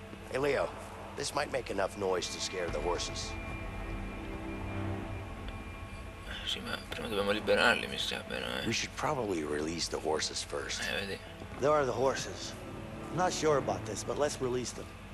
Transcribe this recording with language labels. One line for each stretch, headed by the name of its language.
English: Hey Leo, this might make enough noise to scare the horses.
Italian: Sì, ma prima dobbiamo liberarli, mi sa, però,
English: We should probably release the horses first.
Italian: Vedi.
English: There are the horses. I'm not sure about this, but let's release them.